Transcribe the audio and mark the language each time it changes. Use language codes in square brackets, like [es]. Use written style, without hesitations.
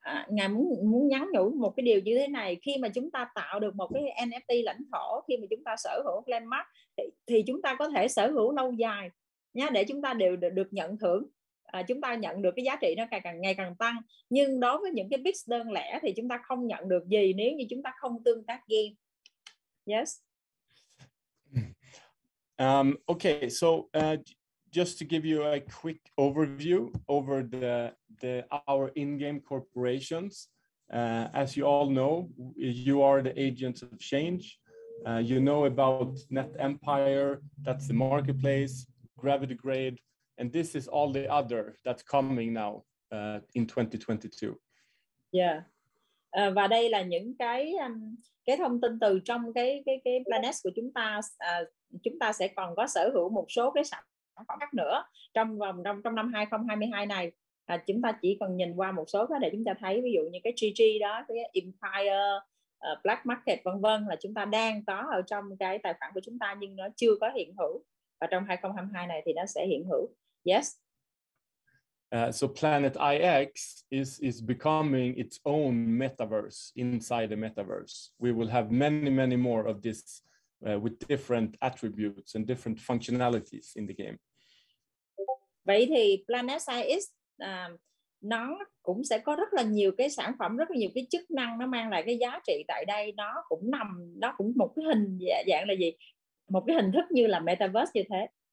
[vi] Ngài muốn nhắn nhủ một cái điều như thế này: khi mà chúng ta tạo được một cái NFT lãnh thổ, khi mà chúng ta sở hữu landmark thì chúng ta có thể sở hữu lâu dài nhá, để chúng ta đều được nhận thưởng, chúng ta nhận được cái giá trị nó càng ngày càng tăng. Nhưng đối với những cái bits đơn lẻ thì chúng ta không nhận được gì nếu như chúng ta không tương tác game. [en] Yes. Okay, so just to give you a quick overview over our in-game corporations. As you all know, you are the agents of change. You know about Net Empire, that's the marketplace, Gravity Grade, and this is all the other that's coming now in 2022. Yeah. [vi] Và đây là những cái thông tin từ trong cái Planet của chúng ta. Chúng ta sẽ còn có sở hữu một số cái sản phẩm khác nữa trong năm 2022 này. Chúng ta chỉ cần nhìn qua một số đó để chúng ta thấy, ví dụ như cái GG đó, cái Empire, Black Market vân vân, là chúng ta đang có ở trong cái tài khoản của chúng ta nhưng nó chưa có hiện hữu, và trong 2022 này thì nó sẽ hiện hữu. [en] Yes. So Planet IX is becoming its own metaverse inside the metaverse. We will have many, many more of this with different attributes and different functionalities in the game. [vi] Vậy thì Planet IX nó cũng sẽ có rất là nhiều cái sản phẩm, rất là nhiều cái chức năng nó mang lại cái giá trị tại đây. Nó cũng một cái hình dạng là gì? Một cái hình thức như là metaverse như thế.